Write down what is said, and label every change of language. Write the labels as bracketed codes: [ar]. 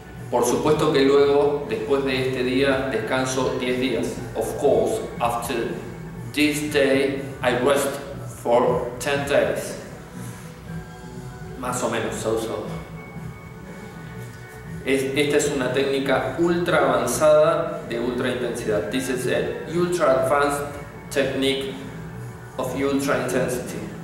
[es] Por supuesto que luego, después de este día, descanso 10 días. [en] Of course, after this day, I rest for 10 days. [es] Más o menos, so. Esta es una técnica ultra avanzada de ultra intensidad. [en] This is a ultra advanced technique of ultra intensity.